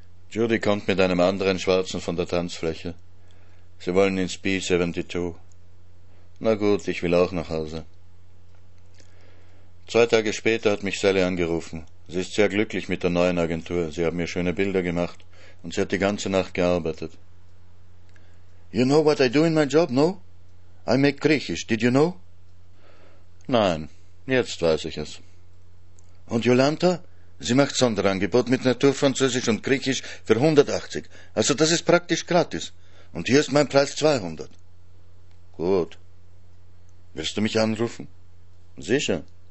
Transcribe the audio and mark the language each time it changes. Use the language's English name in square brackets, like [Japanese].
[German] Judy kommt mit einem anderen Schwarzen von der Tanzfläche. Sie wollen ins B-72. »Na gut, ich will auch nach Hause.« 2 Tage später hat mich Sally angerufen. Sie ist sehr glücklich mit der neuen Agentur. Sie haben mir schöne Bilder gemacht und sie hat die ganze Nacht gearbeitet. [English] »You know what I do in my job, no? I make Griechisch, did you know?« [German] »Nein, jetzt weiß ich es.« »Und Jolanta? Sie macht Sonderangebot mit Naturfranzösisch und Griechisch für 180. Also das ist praktisch gratis. Und hier ist mein Preis 200.« »Gut.« »Willst du mich anrufen?« »Sicher.«